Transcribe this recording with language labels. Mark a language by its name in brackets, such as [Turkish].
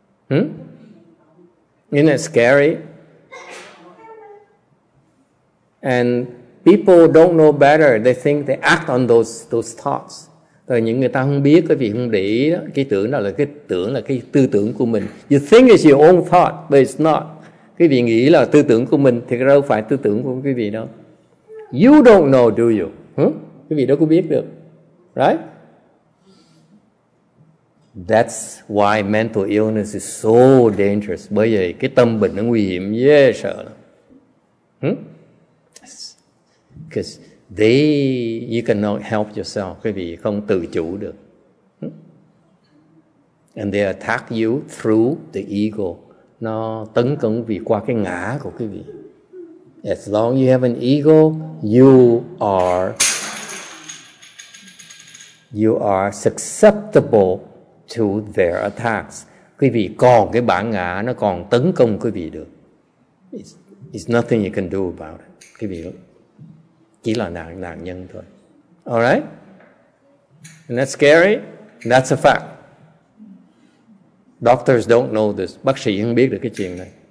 [English] Isn't it scary? And people don't know better. They think they act on those thoughts. [Vietnamese] Rồi những người ta không biết, cái vì không để ý đó. Cái tưởng đó là cái tưởng, là cái tư tưởng của mình. [English] You think it's your own thought, but it's not. [Vietnamese] Cái vị nghĩ là tư tưởng của mình, thì đâu phải tư tưởng của cái vị đâu. [English] You don't know, do you? [Vietnamese] Cái vị đó có biết được. [English] Right? That's why mental illness is so dangerous. [Vietnamese] Bởi vậy cái tâm bệnh nó nguy hiểm, dễ sợ. [English] Because you cannot help yourself. [Vietnamese] Quý vị không tự chủ được. [English] And they attack you through the ego. [Vietnamese] Nó tấn công vì qua cái ngã của quý vị. [English] As long as you have an ego, you are susceptible to their attacks. [Vietnamese] Quý vị còn cái bản ngã, nó còn tấn công quý vị được. [English] It's nothing you can do about it. [Vietnamese] Quý vị chỉ là nạn nhân thôi. [English] All right? And that's scary. And that's a fact. Doctors don't know this. [Vietnamese] Bác sĩ không biết được cái chuyện này.